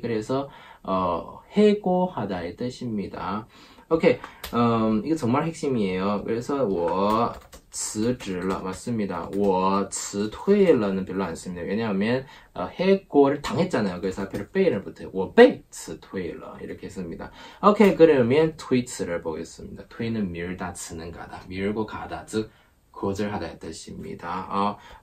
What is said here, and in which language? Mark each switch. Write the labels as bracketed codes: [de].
[ko] 그래서 해고하다의 뜻입니다. 오케이, 이거 정말 핵심이에요. 그래서 [zh] 我辞职了, [ko] 맞습니다. [zh] 我辞退了 [ko] 는 별로 안 씁니다. 왜냐하면 해고를 당했잖아요. 그래서 앞에 被를 붙여요. [zh] 我被辞退了, 이렇게 씁니다. [ko] 오케이, 그러면 推迟를 보겠습니다. 推는 밀다, 辞는 가다, 밀고 가다, 즉 거절하다의 뜻입니다.